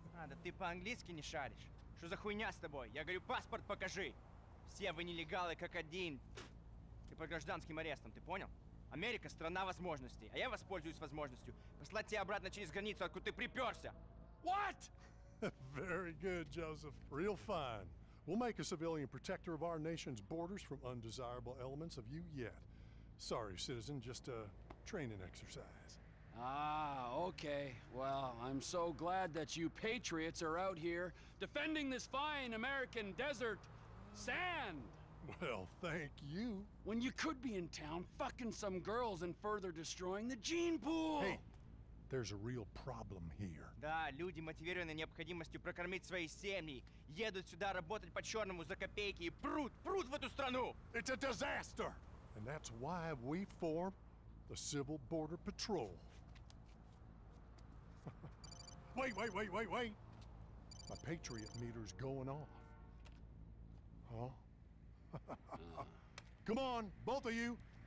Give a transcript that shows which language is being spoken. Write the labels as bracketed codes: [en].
[ru] А, да ты по-английски не шаришь? Что за хуйня с тобой? Я говорю, паспорт покажи. Все вы нелегалы как один. Ты под гражданским арестом, ты понял? Америка страна возможностей, а я воспользуюсь возможностью послать тебя обратно через границу, откуда ты припёрся. [en] What? Very good, Joseph. Real fine. We'll make a civilian protector of our nation's borders from undesirable elements of you yet. Sorry, citizen, just a training exercise. Ah, okay. Well, I'm so glad that you patriots are out here defending this fine American desert sand. Well, thank you. When you could be in town fucking some girls and further destroying the gene pool. Hey, there's a real problem here. [ru] Да, люди, мотивированные необходимостью прокормить свои семьи, едут сюда работать по черному за копейки и прут в эту страну. [en] It's a disaster. And that's why we form the Civil Border Patrol. Wait. My Patriot meter's going off. Huh? Come on, both of you.